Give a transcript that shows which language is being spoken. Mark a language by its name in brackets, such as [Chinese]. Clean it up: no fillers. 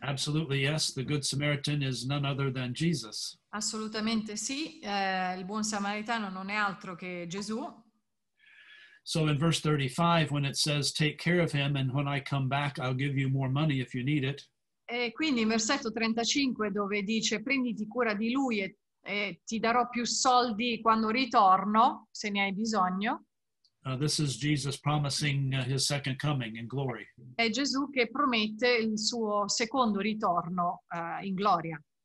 [English] Absolutely yes, the good Samaritan is none other than Jesus. [Italian] Assolutamente sì, il buon samaritano non è altro che Gesù. [English] So in verse 35, when it says, take care of him, and when I come back, I'll give you more money if you need it. [Italian] E quindi in versetto 35, dove dice, prenditi cura di lui e ti darò più soldi quando ritorno, se ne hai bisogno. [English] This is Jesus promising his second coming in glory. [Italian] È Gesù che promette il suo secondo ritorno in gloria.